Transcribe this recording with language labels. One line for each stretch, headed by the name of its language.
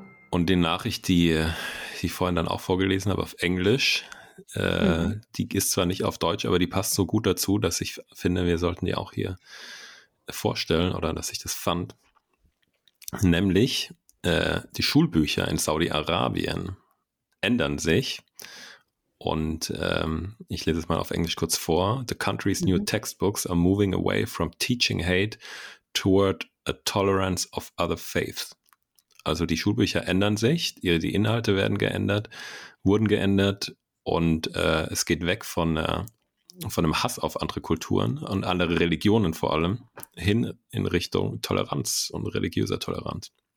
German: Und die Nachricht, die ich vorhin dann auch vorgelesen habe auf Englisch, die ist zwar nicht auf Deutsch, aber die passt so gut dazu, dass ich finde, wir sollten die auch hier vorstellen oder dass ich das fand. Nämlich die Schulbücher in Saudi-Arabien ändern sich. Und ich lese es mal auf Englisch kurz vor.
English: The country's new textbooks are moving away from teaching hate toward a tolerance of other faiths.
German: Also die Schulbücher ändern sich, die Inhalte wurden geändert und es geht weg von einem Hass auf andere Kulturen und andere Religionen vor allem hin in Richtung Toleranz und religiöser Toleranz.